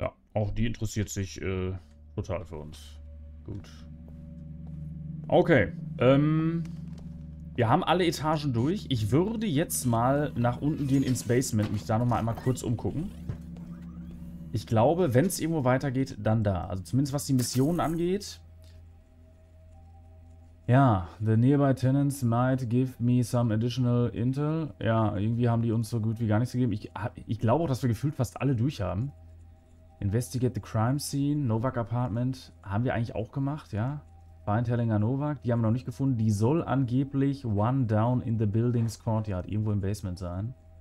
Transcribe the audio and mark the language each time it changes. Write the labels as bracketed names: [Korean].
[German] Ja, auch die interessiert sich total für uns. Gut. Okay. Wir haben alle Etagen durch. Ich würde jetzt mal nach unten gehen ins Basement, mich da nochmal einmal kurz umgucken. Ich glaube, wenn es irgendwo weitergeht, dann da. Also zumindest was die Mission angeht. [English] Ja, the nearby tenants might give me some additional intel. [German] Ja, irgendwie haben die uns so gut wie gar nichts gegeben. Ich glaube auch, dass wir gefühlt fast alle durch haben. [English] Investigate the crime scene, [German] Novak Apartment. Haben wir eigentlich auch gemacht, ja. Find Hellinger Novak, die haben wir noch nicht gefunden. Die soll angeblich [English] one down in the building's courtyard, [German] irgendwo im Basement sein.